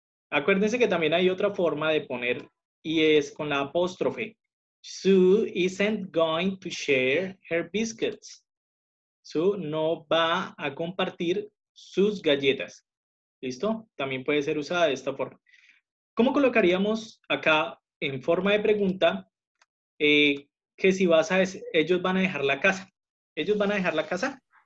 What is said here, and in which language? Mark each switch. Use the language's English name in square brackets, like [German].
[Spanish] Acuérdense que también hay otra forma de poner y es con la apóstrofe. [English] Sue isn't going to share her biscuits. [Spanish] Sue no va a compartir sus galletas. ¿Listo? También puede ser usada de esta forma. ¿Cómo colocaríamos acá en forma de pregunta que si vas a decir, ellos van a dejar la casa? ¿Ellos van a dejar la casa?